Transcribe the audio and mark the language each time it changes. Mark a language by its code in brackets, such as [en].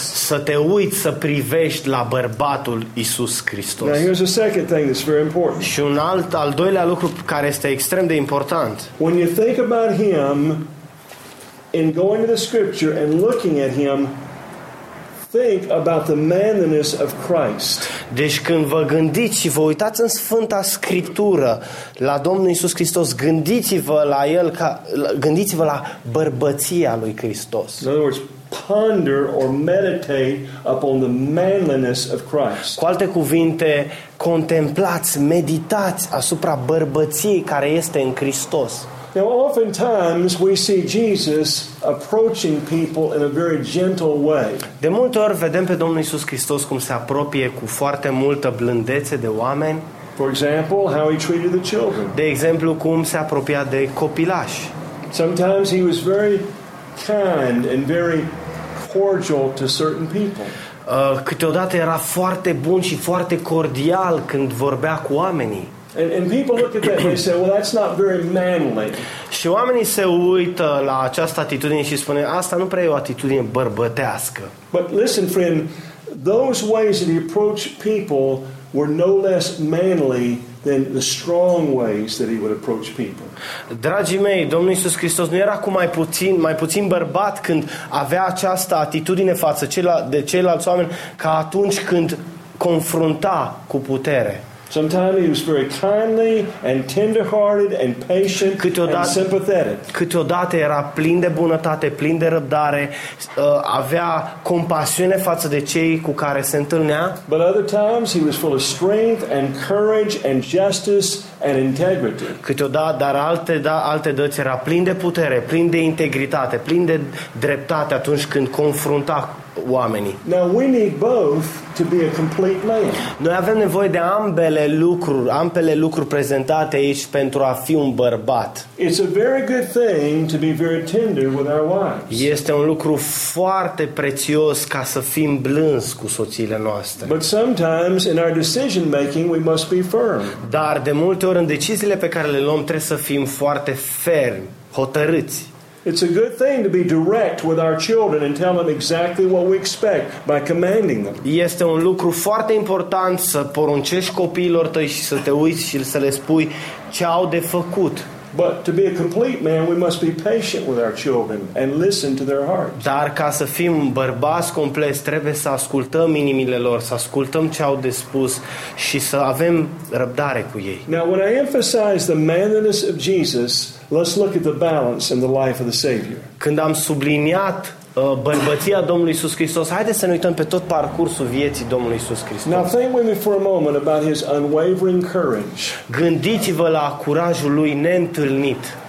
[ro] Să te uiți, să privești la bărbatul Iisus Hristos. [en] Now here's a second thing that's very important. [ro] Și un al doilea lucru care este extrem de important. [en] When you think about him in going to the scripture and looking at him, think about the manliness of Christ. [ro] Deci când vă gândiți și vă uitați în Sfânta Scriptură la Domnul Iisus Hristos, gândiți-vă la el gândiți-vă la bărbăția lui Hristos. [en] In other words, ponder or meditate upon the manliness of Christ. [ro] Cu alte cuvinte, contemplați, meditați asupra bărbăției care este în Hristos. [en] Now, oftentimes we see Jesus approaching people in a very gentle way. [ro] De multe ori vedem pe Domnul Iisus Hristos cum se apropie cu foarte multă blândețe de oameni. [en] For example, how he treated the children. [ro] De exemplu, cum se apropia de copilași. [en] Sometimes he was very kind and very cordial to certain people. [ro] Câteodată era foarte bun și foarte cordial când vorbea cu oamenii. [en] And people look at that and they say, well, that's not very manly. [ro] Și oamenii se uită la această atitudine și spune, asta nu prea e o atitudine bărbătească. [en] But listen, friend, those ways that he approached people were no less manly than the strong ways that he would approach people. [ro] Dragii mei, Domnul Iisus Hristos nu era cu mai puțin bărbat când avea această atitudine față de ceilalți oameni ca atunci când confrunta cu putere. [en] Sometimes he was very kindly and tender-hearted and patient and sympathetic. [ro] Câteodată era plin de bunătate, plin de răbdare, avea compasiune față de cei cu care se întâlnea. [en] But other times he was full of strength and courage and justice and integrity. [ro] Câteodată, dar alte dăți era plin de putere, plin de integritate, plin de dreptate atunci când confrunta oamenii. [en] Now we need both to be a complete man. [ro] Noi avem nevoie de ambele lucruri prezentate aici pentru a fi un bărbat. [en] It's a very good thing to be very tender with our wives. [ro] Este un lucru foarte prețios ca să fim blânzi cu soțiile noastre. [en] But sometimes in our decision making we must be firm. [ro] Dar de multe ori în deciziile pe care le luăm trebuie să fim foarte fermi, hotărâți. [en] It's a good thing to be direct with our children and tell them exactly what we expect by commanding them. [ro] Este un lucru foarte important să poruncești copiilor tăi și să te uiți și să le spui ce au de făcut. [en] But to be a complete man, we must be patient with our children and listen to their hearts. [ro] Dar ca să fim bărbați complet, trebuie să ascultăm inimile lor, să ascultăm ce au de spus și să avem răbdare cu ei. [en] Now, when I emphasize the manliness of Jesus, let's look at the balance in the life of the Savior. [ro] Când am subliniat bărbăția Domnului Iisus Hristos, haideți să ne uităm pe tot parcursul vieții Domnului Iisus Hristos. [en] Now think with me for a moment about his unwavering courage. [ro] Gândiți-vă la curajul lui neîntâlnit.